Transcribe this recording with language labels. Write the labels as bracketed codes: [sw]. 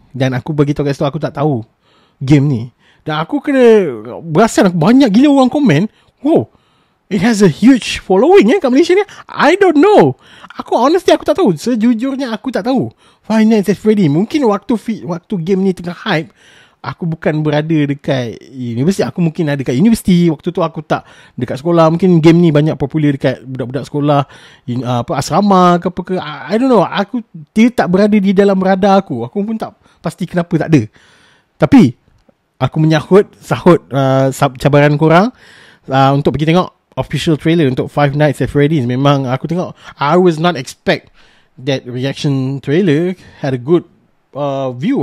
[ms] Dan aku beritahu kat situ, aku tak tahu game ni. Dan aku kena berasal banyak gila orang komen. [en] Wow, it has a huge following [ms] kat Malaysia ni. [en] I don't know. [ms] Aku honestly aku tak tahu. Sejujurnya aku tak tahu. Five Nights at Freddy. Mungkin waktu game ni tengah hype, aku bukan berada dekat universiti. Aku mungkin ada dekat universiti. Waktu tu aku tak dekat sekolah. Mungkin game ni banyak popular dekat budak-budak sekolah, apa asrama ke apa ke. [en] I don't know. [ms] Aku tak berada di dalam radar aku. Aku pun tak pasti kenapa tak ada. Tapi aku menyahut sahut cabaran korang untuk pergi tengok official trailer untuk Five Nights at Freddy's. Memang aku tengok, [en] I was not expect that reaction trailer had a good view.